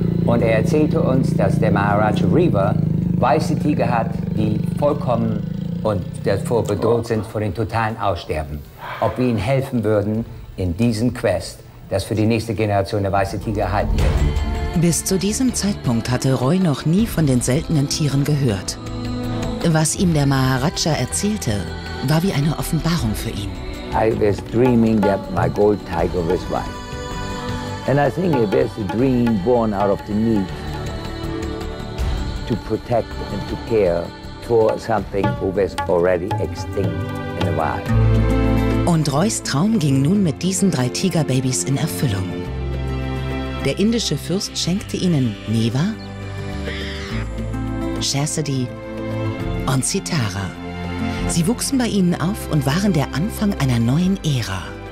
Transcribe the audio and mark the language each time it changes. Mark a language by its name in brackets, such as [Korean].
[German] Und er erzählte uns, dass der Maharaja Reva weiße Tiger hat, die vollkommen und davor bedroht sind vor dem totalen Aussterben. Ob wir ihnen helfen würden in diesem Quest, dass für die nächste Generation der weiße Tiger erhalten wird. Bis zu diesem Zeitpunkt hatte Roy noch nie von den seltenen Tieren gehört. Was ihm der Maharaja erzählte, war wie eine Offenbarung für ihn. [English] I was dreaming that my gold tiger was white. And I think it was a dream born out of the need to protect and to care for something who was already extinct in the wild. [German] Und Roys Traum ging nun mit diesen drei Tigerbabys in Erfüllung. Der indische Fürst schenkte ihnen Neva, Chastity und Sitara. Sie wuchsen bei ihnen auf und waren der Anfang einer neuen Ära.